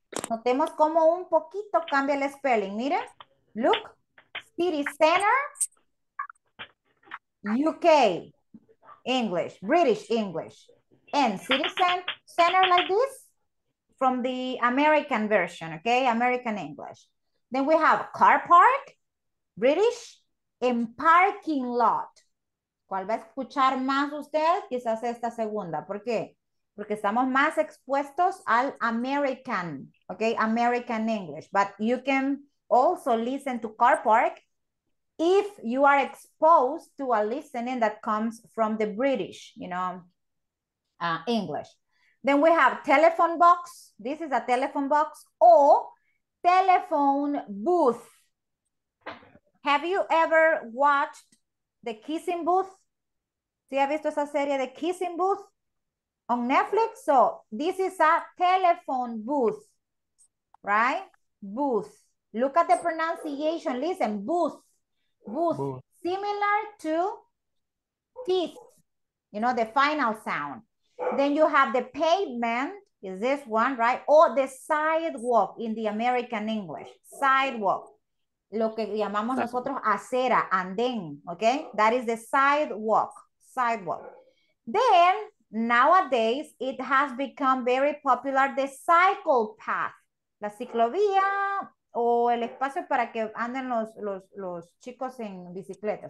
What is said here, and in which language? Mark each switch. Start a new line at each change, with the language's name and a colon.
Spanish: Notemos como un poquito cambia el spelling. Mira,
English: look, city center, UK, English, British English. And city center like this from the American version, okay? American English. Then we have car park, British, and parking lot.
Spanish: ¿Cuál va a escuchar más usted? Quizás esta segunda. ¿Por qué? Porque estamos más expuestos al American, okay, American English.
English: But you can also listen to car park if you are exposed to a listening that comes from the British, you know, English. Then we have telephone box. This is a telephone box or telephone booth. Have you ever watched The Kissing Booth?
Spanish: ¿Sí ha visto esa serie de Kissing Booth on Netflix?
English: So this is a telephone booth, right? Booth. Look at the pronunciation. Listen, booth. Booth. Similar to teeth, you know, the final sound. Then you have the pavement, is this one, right? Or the sidewalk in the American English. Sidewalk.
Spanish: Lo que llamamos nosotros acera, andén, okay?
English: That is the sidewalk. Sidewalk. Then, nowadays, it has become very popular, the cycle path.
Spanish: La ciclovía o el espacio para que anden los chicos en bicicleta.